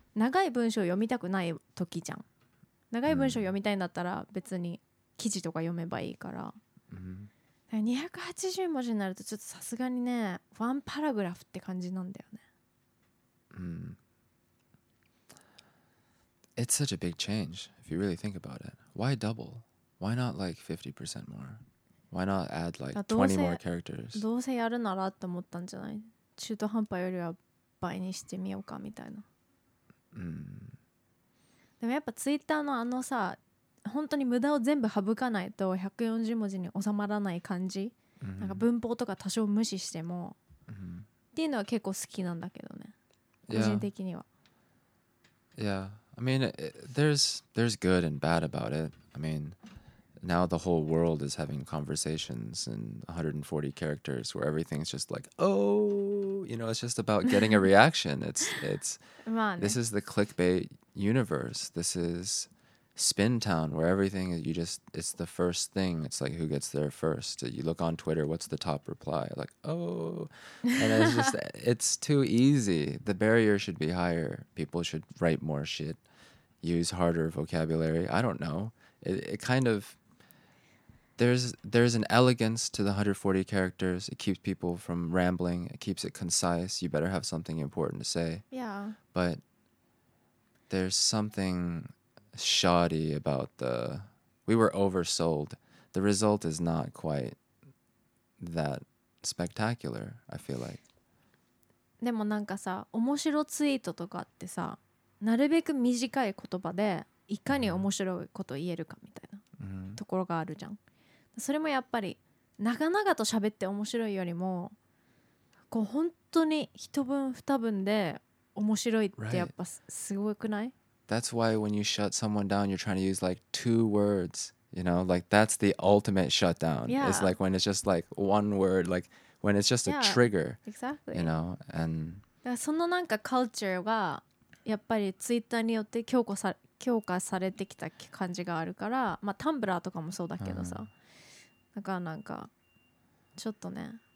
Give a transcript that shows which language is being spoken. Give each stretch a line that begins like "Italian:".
Japanese: 長い文章を読みたくない時じゃん。長い文章を読みたいんだったら別に記事とか読めばいいから、うん、 280文字になるとちょっとさすがにね、ワンパラグラフって感じなんだよね。
English: うん、It's such a big change if you really think about it. Why double? Why not like 50% more? Why not add like 20 more characters?
Japanese: どうせやるならって思ったんじゃない？中途半端よりは倍にしてみようかみたいな。でもやっぱツイッターのあのさ、本当に無駄を全部省かないと140文字に収まらない感じ、mm-hmm. なんか文法とか多少無視しても、 mm-hmm. っていうのは結構好きなんだけどね、個人的には。
English: Yeah, I mean there's good and bad about it. I mean now the whole world is having conversations in 140 characters where everything's just like, oh, you know, it's just about getting a reaction. It's
Japanese: まあね、
English: this is the clickbaitUniverse. This is Spin Town, where everything is, you just, it's the first thing. It's like who gets there first. You look on Twitter, what's the top reply? Like, oh, and it's just, it's too easy. The barrier should be higher. People should write more shit, use harder vocabulary. I don't know. It kind of, there's an elegance to the 140 characters. It keeps people from rambling. It keeps it concise. You better have something important to say. Yeah. But,There's something shoddy about the... We were oversold. The result is not quite that spectacular, I feel like.
Japanese: でもなんかさ、面白ツイートとかってさ、なるべく短い言葉でいかに面白いこと言えるかみたいなところがあるじゃん。 Mm-hmm. それもやっぱり長々と喋って面白いよりも、こう本当に一文二文で面白いってやっぱすごくない？
English: That's why when you shut someone down, you're trying to use like two words, you know, like that's the ultimate shutdown. Yeah. It's like when it's just like one word, like when it's just a trigger. Exactly. You know, and
Japanese: だからそのなんかカルチャーがやっぱりツイッターによって強化されてきた感じがあるから、まあタンブラーとかもそうだけどさ、だからなんかちょっとね。